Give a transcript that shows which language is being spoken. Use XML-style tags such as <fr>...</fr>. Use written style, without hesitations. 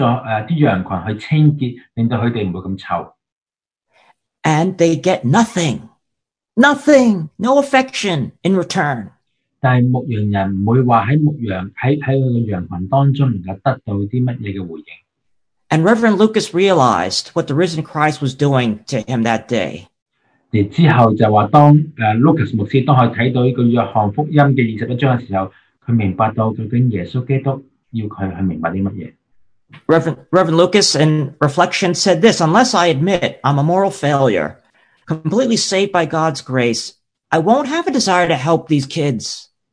<zh>牧羊人去怎樣去幫助羊群去清潔,令到他們不會那麼臭。</zh> <en>And they get nothing. Nothing, no affection in return.</en> <zh>但牧羊人不會說在牧羊,在他的羊群當中能夠得到什麼回應。</zh> <en>And Reverend Lucas realized what the risen Christ was doing to him that day.</en> <zh>然後就說當 Lucas牧師當他看到這個約翰福音的21章的時候, 他明白到究竟耶穌基督要他去明白什麼。</zh> <en>Reverend Lucas in reflection said this, unless I admit I'm a moral failure, completely saved by God's grace, I won't have a desire to help these kids.</en>